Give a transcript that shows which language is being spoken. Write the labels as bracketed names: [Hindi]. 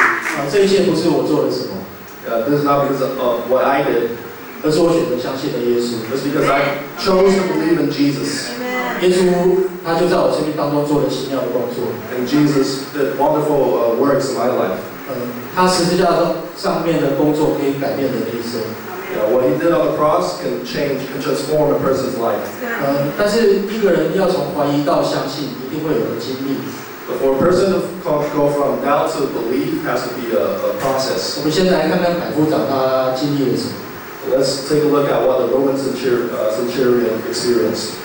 [Chinese] 一定要去办。那这个月是我们的结婚两周年的纪念日，我们的2周年，2周年的纪念日。这一切不是我做的什么。 [English] This is not because of what I did. [Chinese] 而是我选择相信的耶稣。 [English] It's because I chose to believe in Jesus. [Chinese] 耶稣他就在我生命当中做了奇妙的工作。 [English] And Jesus did wonderful works in my life. [Chinese] 他十字架上面的工作可以改变人的一生。 [English] What he did on the cross can change, can transform a person's life. [Chinese] 但是一个人要从怀疑到相信，一定会有个经历。 [English] But for a person to go from doubt to belief has to be a process. [Chinese] 我们先来看看百夫长他经历了什么。 [English] Let's take a look at what the Roman centurion experienced.